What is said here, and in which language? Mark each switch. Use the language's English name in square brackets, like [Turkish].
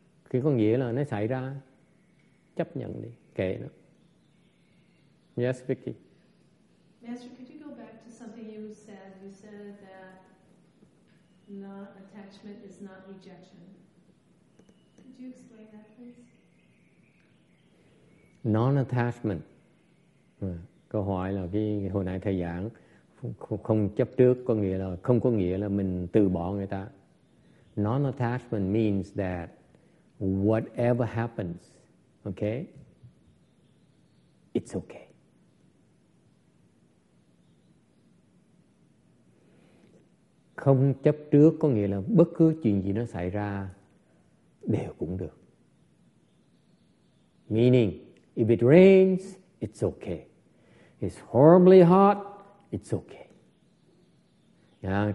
[Vietnamese] Thì có nghĩa là nó xảy ra, chấp nhận đi, kệ nó. [English] Yes, Vicky. Master, could you go back to something you said? You said that not attachment is not rejection. Could you explain that, please? Non-attachment. [Vietnamese] Câu hỏi là cái hồi nãy thầy giảng. Không chấp trước có nghĩa là không có nghĩa là mình từ bỏ người ta. [English] Non-attachment means that whatever happens, okay, it's okay. [Vietnamese] Không chấp trước có nghĩa là bất cứ chuyện gì nó xảy ra đều cũng được. [English] Meaning, if it rains, it's okay. It's horribly hot, it's okay.